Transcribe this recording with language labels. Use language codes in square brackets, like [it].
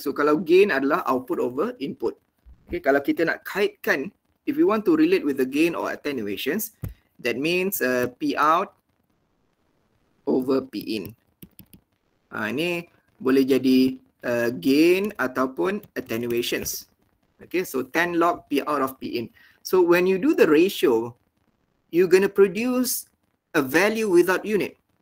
[ms] So kalau gain adalah output over input. [en] Okay, [ms] kalau kita nak kaitkan, [en] if we want to relate with the gain or attenuations, that means P out over P in. [ms] Ini boleh jadi gain ataupun attenuations. [en] Okay, so 10 log P out of P in. So when you do the ratio, you're going to produce a value without unit.